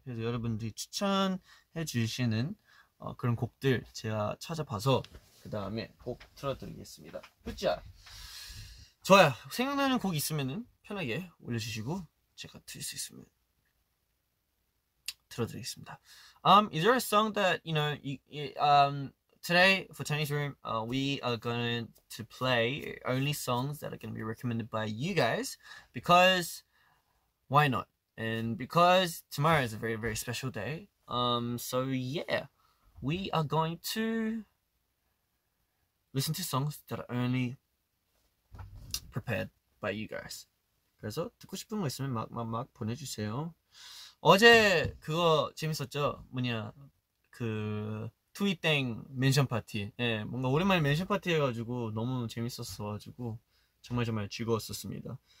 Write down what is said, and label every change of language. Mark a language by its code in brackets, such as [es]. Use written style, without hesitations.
[ko] 그래서 여러분들이 추천해 주시는 그런 곡들 제가 찾아봐서 그 다음에 곡 틀어드리겠습니다. 굿자. 좋아요. 생각나는 곡 있으면은 편하게 올려주시고 제가 틀 수 있으면 틀어드리겠습니다. [en] Is there a song that you know? Today for Chinese Room, we are going to play only songs that are going to be recommended by you guys because why not? And because tomorrow is a very very special day. So yeah, we are going to listen to songs that are only prepared by you guys. [ko] 그래서 듣고 싶은 거 있으면 막 보내주세요. 어제 그거 재밌었죠? 뭐냐 그 트윗땡 멘션 파티. 예, 뭔가 오랜만에 멘션 파티 해가지고 너무 재밌었어가지고 정말 정말 즐거웠었습니다.